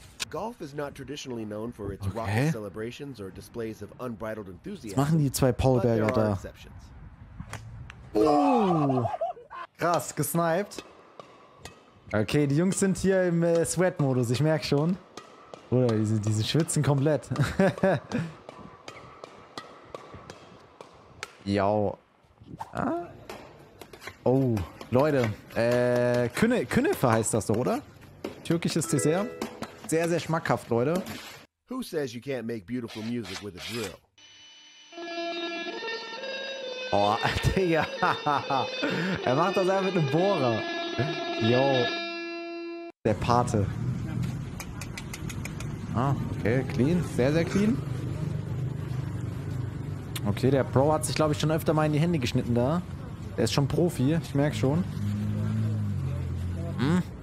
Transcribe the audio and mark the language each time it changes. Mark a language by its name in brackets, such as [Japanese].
[English] Golf is not traditionally known for its raucous celebrations or displays of unbridled enthusiasm. [German] Machen die zwei Paulberger da. Exceptions. Krass, gesniped. Okay, die Jungs sind hier im Sweat-Modus, ich merke schon. Oder diese schwitzen komplett. Ja. Ah. Oh, Leute. Künefe heißt das doch, oder? Türkisches Dessert. Sehr, sehr schmackhaft, Leute. [English] Who says you can't make beautiful music with a drill? [German] Oh, Digga. Er macht das einfach mit einem Bohrer. Yo. Der Pate. Ah, okay, clean. Sehr, sehr clean. Okay, der Pro hat sich, glaube ich, schon öfter mal in die Hände geschnitten da. Der ist schon Profi, ich merke schon. Hm?